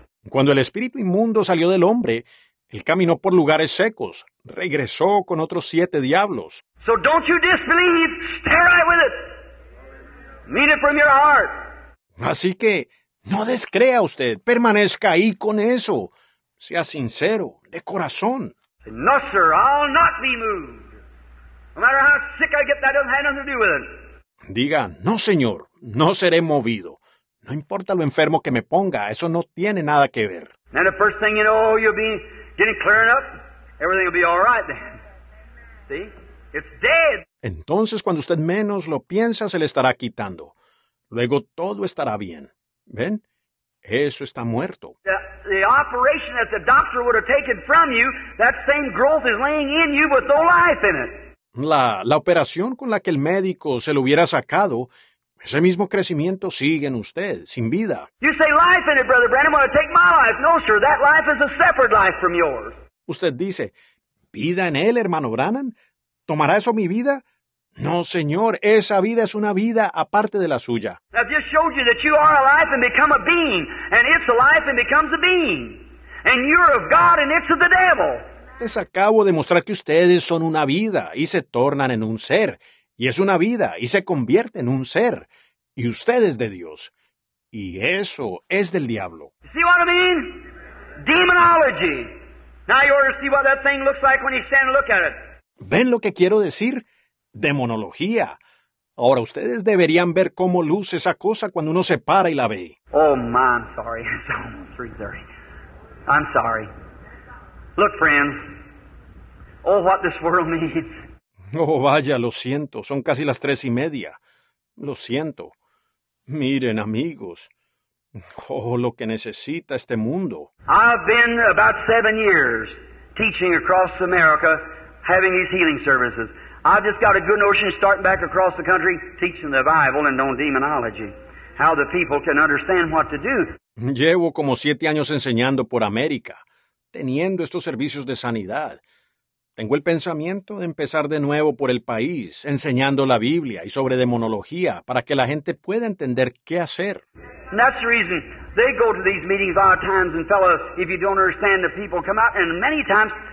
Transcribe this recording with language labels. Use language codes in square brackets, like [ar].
[es] Cuando el espíritu inmundo salió del hombre, él caminó por lugares secos, regresó con otros siete diablos. [en] So don't you disbelieve, stay right with it. Meet it from your heart. [es] Así que, no descrea usted, permanezca ahí con eso. Sea sincero, de corazón. [en] No, sir, I'll not be moved. No matter how sick I get, that doesn't have nothing to do with it. [es] Diga, no, señor, no seré movido. No importa lo enfermo que me ponga, eso no tiene nada que ver. [en] Now the first thing you know, you'll be getting clearing up. Everything will be all right then. See? It's dead. [es] Entonces, cuando usted menos lo piensa, se le estará quitando. Luego todo estará bien. ¿Ven? Eso está muerto. [en] The operation that the doctor would have taken from you, that same growth is laying in you with no life in it. [es] La operación con la que el médico se lo hubiera sacado, ese mismo crecimiento sigue en usted, sin vida. [en] You say life in it, Brother Branham, want to take my life. No, sir, that life is a separate life from yours. [es] Usted dice, vida en él, hermano Branham, ¿tomará eso mi vida? No, señor, esa vida es una vida aparte de la suya. [en] I've just showed you that you are alive and become a being, and it's alive and becomes a being. And you're of God and it's of the devil. [es] Les acabo de mostrar que ustedes son una vida y se tornan en un ser. Y es una vida y se convierte en un ser. Y ustedes de Dios. Y eso es del diablo. [en] You see what I mean? Demonology. Now you ought to see what that thing looks like when you stand and look at it. [es] ¿Ven lo que quiero decir? Demonología. Ahora ustedes deberían ver cómo luce esa cosa cuando uno se para y la ve. [en] Oh, my, I'm sorry. It's almost 3:30. I'm sorry. Look, friends. Oh, what this world needs. [es] Oh, vaya, lo siento. Son casi las 3:30. Lo siento. Miren, amigos. Oh, lo que necesita este mundo. [en] I've been about 7 years teaching across America, having these healing services. I've just got a good notion of starting back across the country teaching the Bible and on demonology, how the people can understand what to do. [es] Llevo como 7 años enseñando por América, teniendo estos servicios de sanidad. Tengo el pensamiento de empezar de nuevo por el país, enseñando la Biblia y sobre demonología para que la gente pueda entender qué hacer. [en] And that's the reason they go to these meetings a lot of times and fellas, if you don't understand the people come out and many times.